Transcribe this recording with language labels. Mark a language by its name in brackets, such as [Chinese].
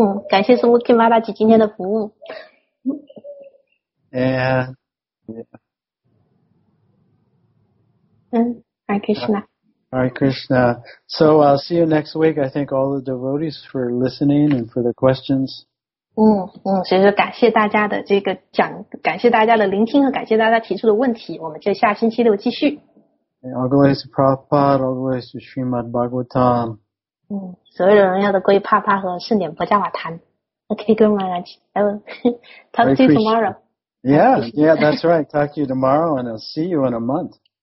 [Chinese] 感谢 Sumuki 拉大姐今天的服务。 [Sanskrit] Hare Krishna. Hare Krishna. [English] So, see you next week. I thank all the devotees for listening and for the questions. [Chinese] 所以说感谢大家的这个讲，感谢大家的聆听和感谢大家提出的问题。我们就下星期六继续。 [English] All glory to Prabhupada, all glory to Srimad Bhagavatam. [Chinese] 所有荣耀的归帕帕和圣典婆伽瓦坛。 [English] Okay, good morning. Talk to you tomorrow. Yeah, that's right. Talk to you tomorrow and I'll see you in a month.